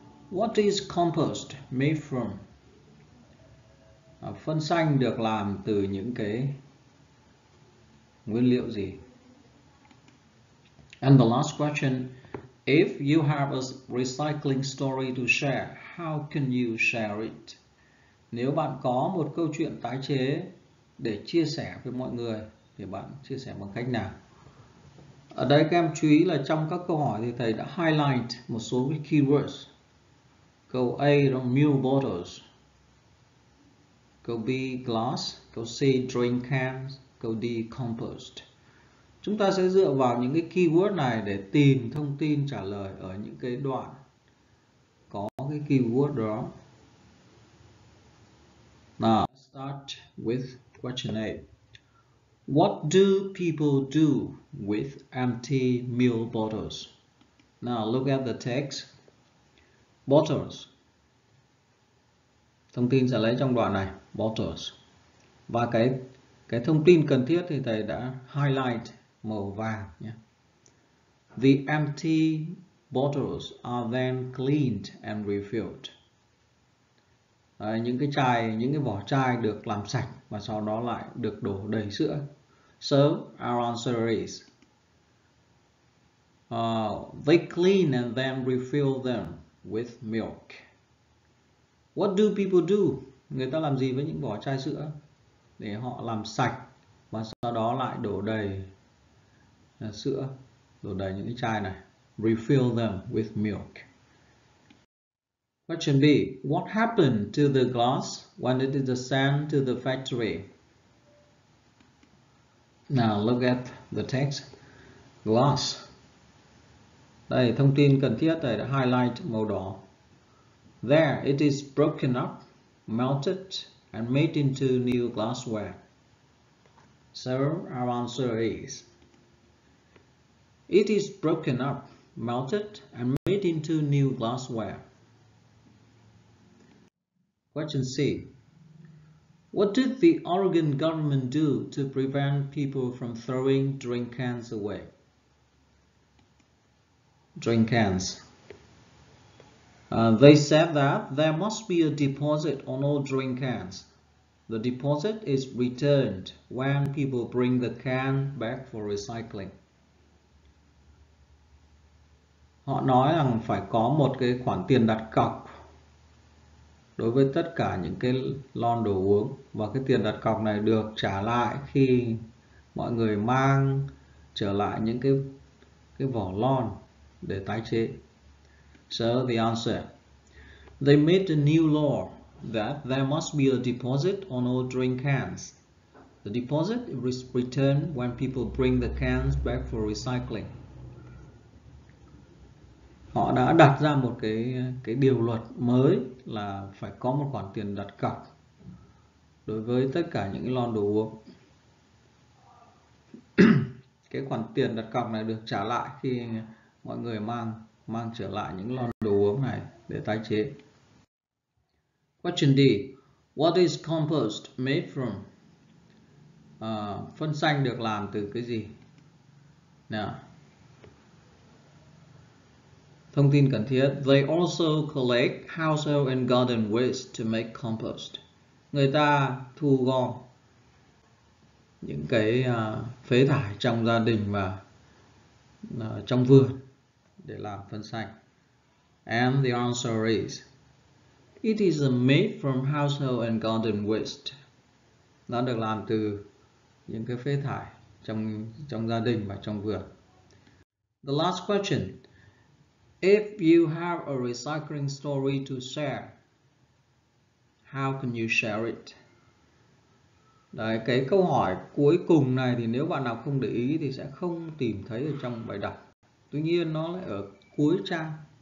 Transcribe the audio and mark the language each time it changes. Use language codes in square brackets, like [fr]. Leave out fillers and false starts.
[en] What is compost made from? [vi] Phân xanh được làm từ những cái nguyên liệu gì? [en] And the last question, if you have a recycling story to share, how can you share it? [vi] Nếu bạn có một câu chuyện tái chế để chia sẻ với mọi người, thì bạn chia sẻ bằng cách nào? Ở đây các em chú ý là trong các câu hỏi thì thầy đã highlight một số cái keywords. Câu A là [en] milk bottles. [vi] Câu B, glass. Câu C, [en] drink cans. [vi] Câu D, compost. Chúng ta sẽ dựa vào những cái keyword này để tìm thông tin trả lời ở những cái đoạn có cái keyword đó. [en] Now, start with question A. What do people do with empty milk bottles? Now look at the text bottles. [vi] Thông tin sẽ lấy trong đoạn này bottles. Và cái thông tin cần thiết thì thầy đã highlight màu vàng nhé. [en] The empty bottles are then cleaned and refilled. [vi] Đấy, những cái chai, những cái vỏ chai được làm sạch và sau đó lại được đổ đầy sữa. [en] So our answer is they clean and then refill them with milk. What do people do? [vi] Người ta làm gì với những vỏ chai sữa? Để họ làm sạch và sau đó lại đổ đầy sữa, đổ đầy những cái chai này. [en] Refill them with milk. Question B. What happened to the glass when it is sent to the factory? Now look at the text. Glass. [vi] Đây, thông tin cần thiết thầy đã highlight màu đỏ. [en] There, it is broken up, melted, and made into new glassware. So, our answer is, it is broken up, melted, and made into new glassware. Question C. What did the Oregon government do to prevent people from throwing drink cans away? Drink cans. They said that there must be a deposit on all drink cans. The deposit is returned when people bring the can back for recycling. [vi] Họ nói rằng phải có một cái khoản tiền đặt cọc đối với tất cả những cái lon đồ uống và cái tiền đặt cọc này được trả lại khi mọi người mang trở lại những cái vỏ lon để tái chế. [en] So the answer. They made a new law that there must be a deposit on all drink cans. The deposit is returned when people bring the cans back for recycling. [vi] Họ đã đặt ra một cái điều luật mới là phải có một khoản tiền đặt cọc đối với tất cả những lon đồ uống. Cái khoản tiền đặt cọc này được trả lại khi mọi người mang trở lại những lon đồ uống này để tái chế. [en] Question D. What is compost made from? [vi] Phân xanh được làm từ cái gì? [en] Now. [vi] Thông tin cần thiết. [en] They also collect household and garden waste to make compost. [vi] Người ta thu gom những cái phế thải trong gia đình và trong vườn để làm phân xanh. [en] And the answer is, it is made from household and garden waste. [vi] Nó được làm từ những cái phế thải trong gia đình và trong vườn. [en] The last question. If you have a recycling story to share, how can you share it? [vi] Đấy, cái câu hỏi cuối cùng này thì nếu bạn nào không để ý thì sẽ không tìm thấy ở trong bài đọc. Tuy nhiên nó lại ở cuối trang.